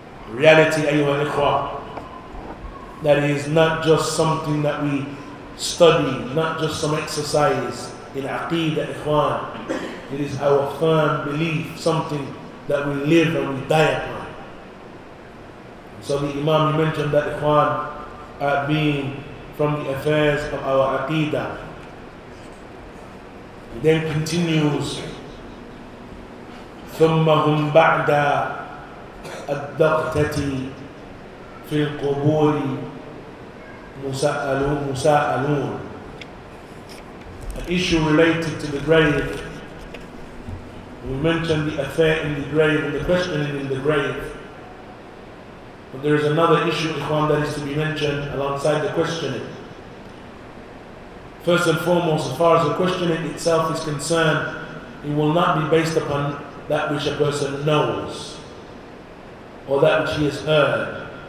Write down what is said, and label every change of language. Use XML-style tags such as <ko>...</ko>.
<en>Reality,</en> <ar>ayyuhal ikhwa,</ar> <en>that is not just something that we study, not just some exercise in aqeedah, ikhwan. It is our firm belief, something that we live and we die upon. So the Imam mentioned that ikhwan being from the affairs of our aqeedah. He then continues,</en> <ar>ثُمَّ هُمْ بَعْدَ الدَّقْتَةِ فِي الْقُبُورِ مُسَأَلُونَ.</ar> <en>An issue related to the grave. We mentioned the affair in the grave and the questioning in the grave. But there is another issue, ikhwan, that is to be mentioned alongside the questioning. First and foremost, as far as the questioning itself is concerned, it will not be based upon that which a person knows or that which he has heard.</en>